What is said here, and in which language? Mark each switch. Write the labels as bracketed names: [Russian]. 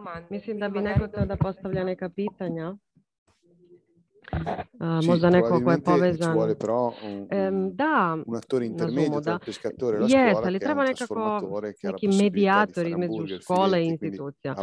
[Serbian] Mislim da bi neko trebao da postavlja neka pitanja. Možda neko ko je povezan. [Italian] Ci vuole però un attore intermedio tra il pescatore e la scuola, [Serbian] ali treba nekako neki medijator između škole i institucija.